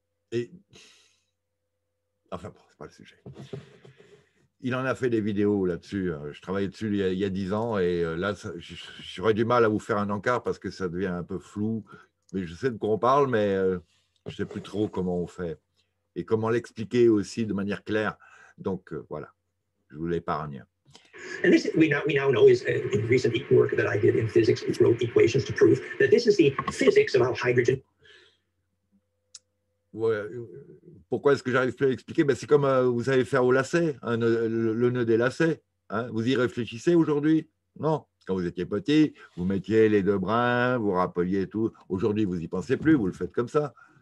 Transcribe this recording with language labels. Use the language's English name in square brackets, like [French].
[French] Et enfin, bon, c'est pas le sujet. Il en a fait des vidéos là-dessus. Je travaillais dessus il y a 10 ans, et là, j'aurais du mal à vous faire un encart parce que ça devient un peu flou. Mais je sais de quoi on parle, mais je ne sais plus trop comment on fait et comment l'expliquer aussi de manière claire. Donc voilà, je vous l'épargne. [English] And this we now know is in recent work that I did in physics, which wrote equations to prove that this is the physics of how hydrogen. [French] Ouais, pourquoi est-ce que j'arrive plus à expliquer? Ben c'est comme vous savez faire au lacet, hein, le nœud des lacets. Hein, vous y réfléchissez aujourd'hui? Non. Quand vous étiez petit, vous mettiez les deux brins, vous rappeliez tout. Aujourd'hui, vous y pensez plus, vous le faites comme ça.